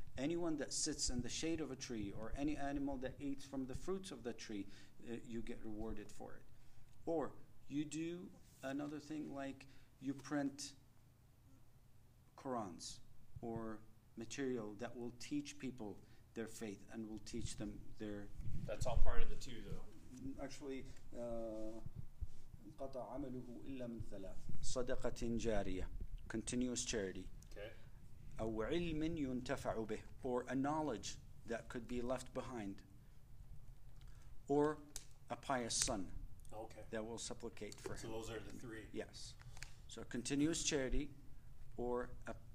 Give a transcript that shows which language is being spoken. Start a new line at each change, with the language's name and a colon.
English: Anyone that sits in the shade of a tree or any animal that eats from the fruits of the tree, you get rewarded for it. Or you do another thing, like you print Qurans or material that will teach people their faith and will teach them their... That's all part of the two, though. Actually,
Arabic: قطع عمله إلا من ثلاث صدقة جارية,
English: continuous charity. Okay.
Arabic: أو علم ينتفع به,
English: or a knowledge that could be left behind, or a pious son. Okay. That will supplicate for so him. So those are the three. Yes. So continuous charity, or a...